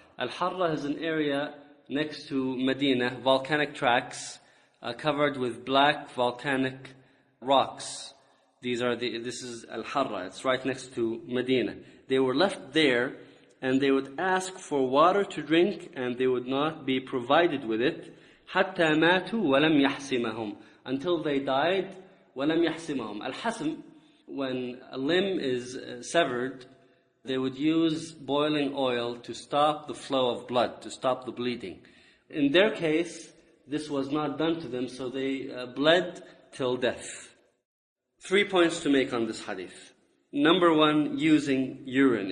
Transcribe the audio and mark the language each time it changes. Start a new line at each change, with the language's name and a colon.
English: Al-Harra is an area next to Medina, volcanic tracks, covered with black volcanic rocks. This is Al-Harra, it's right next to Medina. They were left there, and they would ask for water to drink, and they would not be provided with it.
Arabic: حَتَّى مَاتُوا وَلَمْ يَحْسِمَهُمْ,
English: until they died,
Arabic: وَلَمْ يَحْسِمَهُمْ.
English: Al-Hasm, when a limb is severed, they would use boiling oil to stop the flow of blood, to stop the bleeding. In their case, this was not done to them, so they bled till death. 3 points to make on this hadith. Number one, using urine.